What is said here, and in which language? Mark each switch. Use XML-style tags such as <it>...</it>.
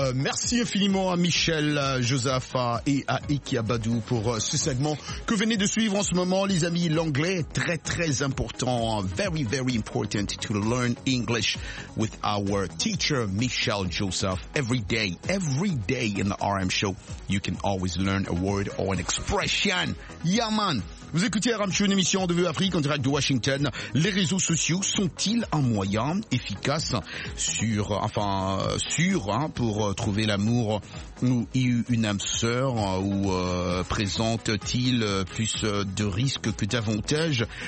<fr>Merci infiniment à Michel, à Joseph et à Iki Abadou pour ce segment que venez de suivre en ce moment. Les amis, l'anglais est très très important.</fr> <en>Very, very important to learn English with our teacher, Michel Joseph. Every day in the RM Show, you can always learn a word or an expression. Yeah, man.</en> <fr>Vous écoutez RM Show, une émission de Vue Afrique en direct de Washington. Les réseaux sociaux sont-ils un moyen efficace sur, enfin, sûr, hein, pour trouver l'amour ou une âme sœur, ou présente-t-il plus de risques que d'avantages?</fr>